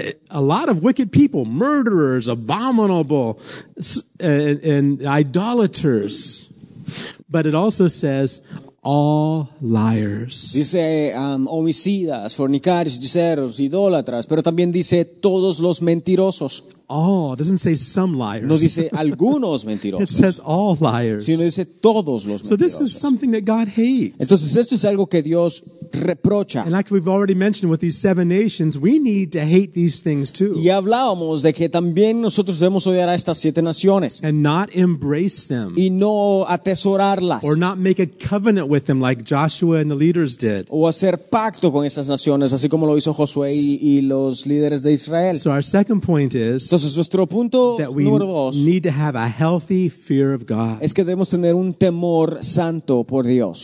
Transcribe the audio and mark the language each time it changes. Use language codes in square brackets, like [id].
[en] A lot of wicked people, murderers, abominable, and idolaters. But it also says all liars. [es] Dice homicidas, fornicarios, hechiceros, idólatras, pero también dice todos los mentirosos. [en] All, it doesn't say some liars. [es] No dice algunos mentirosos. [en] It says all liars. [es] Sino dice todos los mentirosos. [en] So this is something that God hates. [es] Entonces esto es algo que Dios reprocha. [en] And like we've already mentioned with these seven nations, we need to hate these things too. [es] Y hablábamos de que también nosotros debemos odiar a estas siete naciones. [en] And not embrace them. [es] Y no atesorarlas. [en] Or not make a covenant with them like Joshua and the leaders did. [es] O hacer pacto con esas naciones, así como lo hizo Josué y los líderes de Israel. [en] So our second point is. [es] Entonces, nuestro punto [en] that we [es] número dos [en] need to have a healthy fear of God. [es] Es que debemos tener un temor santo por Dios.